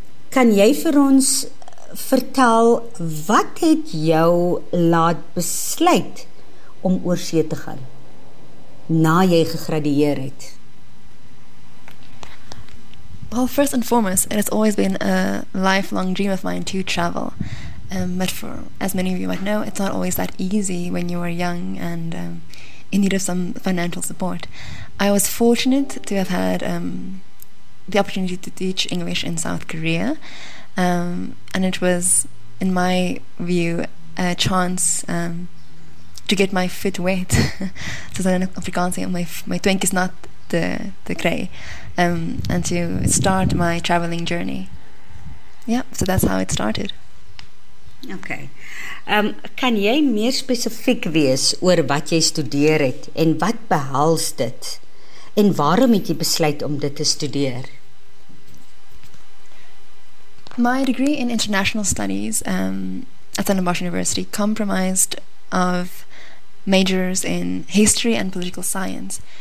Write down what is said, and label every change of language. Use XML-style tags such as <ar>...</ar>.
<af>Kan jy vir ons vertel, wat het jou laat besluit om oor see te gaan, na jy gegradueer het?</af> <en>Well, first and foremost, it has always been a lifelong dream of mine to travel. But for, as many of you might know, it's not always that easy when you are young and in need of some financial support. I was fortunate to have had the opportunity to teach English in South Korea, and it was, in my view, a chance to get my foot wet. So in Afrikaans, my twink is not the grey, and to start my traveling journey. Yeah, so that's how it started. Okay.</en> <af>Kan jy meer specifiek wees oor wat jy studeer het en wat behels dit en waarom het jy besluit om dit te studeer?</af> <en>My degree in international studies at Stellenbosch University compromised of majors in history and political science.</en>